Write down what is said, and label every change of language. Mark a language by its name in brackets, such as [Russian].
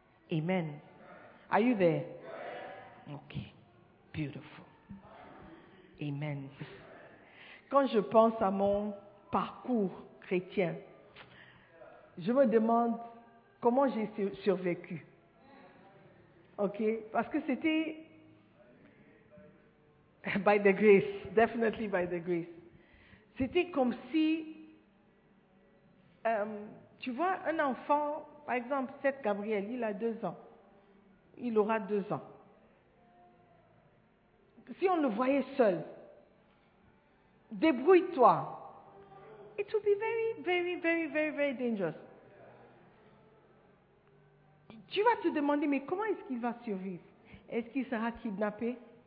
[English] Amen. Are you there? Ok. Beautiful. Amen. [French] Quand je pense à mon parcours chrétien, je me demande comment j'ai survécu. [English] Ok? [French] Parce que c'était [English] by the grace, definitely by the grace. [French] C'était comme si, tu vois, un enfant, par exemple, Seth Gabriel, il a 2 ans. Il aura 2 ans. Si on le voyait seul, débrouille-toi. [English] It would be very, very, very, very, very dangerous. [French] Tu vas te demander, mais comment est-ce qu'il va survivre? Est-ce qu'il sera kidnappé?